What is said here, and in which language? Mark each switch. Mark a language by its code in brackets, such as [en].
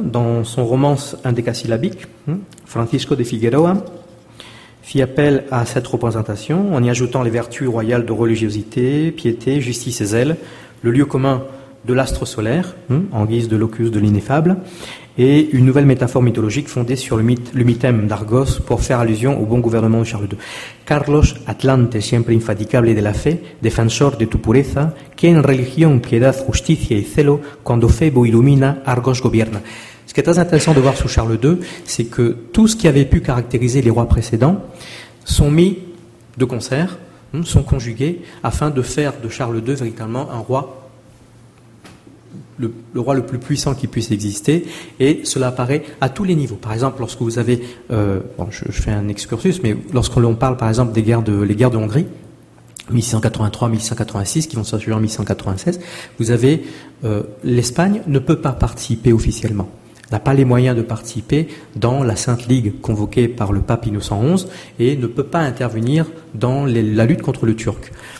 [fr] Dans son romance indécasyllabique, Francisco de Figueroa fit appel à cette représentation en y ajoutant les vertus royales de religiosité, piété, justice et zèle. Le lieu commun de l'astre solaire, hein, en guise de locus de l'ineffable, et une nouvelle métaphore mythologique fondée sur le mythème d'Argos pour faire allusion au bon gouvernement de Charles II. [es] Carlos Atlante, siempre infatigable de la fe, defensor de tu pureza, que en religión piedad, justicia y celo, cuando Febo ilumina, Argos gobierna. [fr] Ce qui est très intéressant de voir sous Charles II, c'est que tout ce qui avait pu caractériser les rois précédents sont mis de concert, sont conjugués, afin de faire de Charles II véritablement un roi, le roi le plus puissant qui puisse exister, et cela apparaît à tous les niveaux. Par exemple, lorsque vous avez, je fais un excursus, mais lorsqu'on parle par exemple des guerres de Hongrie, 1683-1686, qui vont s'ajouter en 1796, vous avez, l'Espagne ne peut pas participer officiellement, n'a pas les moyens de participer dans la Sainte Ligue convoquée par le pape Innocent XI et ne peut pas intervenir dans la lutte contre le Turc.